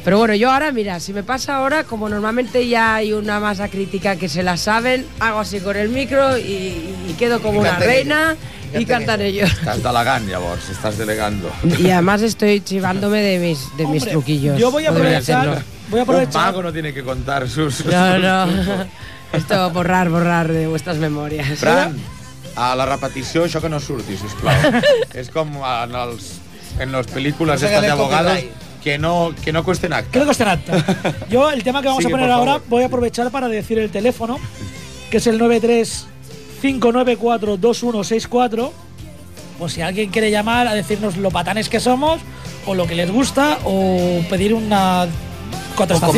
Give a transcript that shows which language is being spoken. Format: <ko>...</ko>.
<es>Pero bueno, yo ahora, mira, si me pasa ahora, como normalmente ya hay una masa crítica que se la saben, hago así con el micro y quedo como una reina. Y cantaré yo. Estás</es> <ca>delegant, llavors,</ca> <es>estás delegando. Y además estoy chivándome de mis truquillos. Yo voy a aprovechar. Un mago no tiene que contar sus... No. Esto, borrar de vuestras memorias.</es> <ca>Fran, a la repetició, això que no surti, sisplau. És com en les pel·lícules estan d'abogados.</ca> <es>Que no cuesten acta. Que no cuesten acta. Yo, el tema que vamos a poner ahora, voy a aprovechar para decir el teléfono. que es el 935942164. Pues si alguien quiere llamar a decirnos lo patanes que somos, o lo que les gusta, o pedir una contestación.</es>